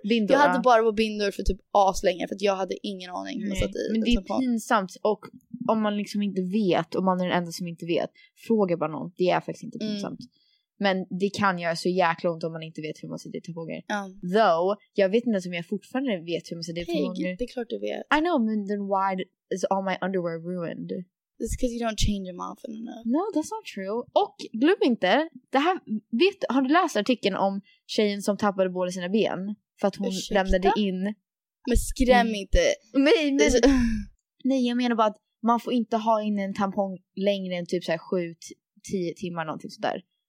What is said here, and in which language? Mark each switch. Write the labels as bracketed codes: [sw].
[sv] Jag hade bara på bindor för typ aslänge. För att jag hade ingen aning hur man satt i en tampon. Men det är pinsamt. Och om man liksom inte vet. Om man är den enda som inte vet. Fråga bara någon. Det är faktiskt inte pinsamt. Mm. Men det kan göra så jäkla ont om man inte vet hur man sätter i tampongen. [en] Though, [sv] jag vet inte om jag fortfarande vet hur man sätter i tampongen. Det är klart du vet. [en] I know, but then why is all my underwear ruined? It's because you don't change them often enough. No, that's not true. [sv] Och glöm inte, det här, har du läst artikeln om tjejen som tappade båda sina ben? För att hon lämnade in. Men skräm inte. Nej, men, nej, jag menar bara att man får inte ha in en tampong längre än typ 7-10 timmar, någonting sådär.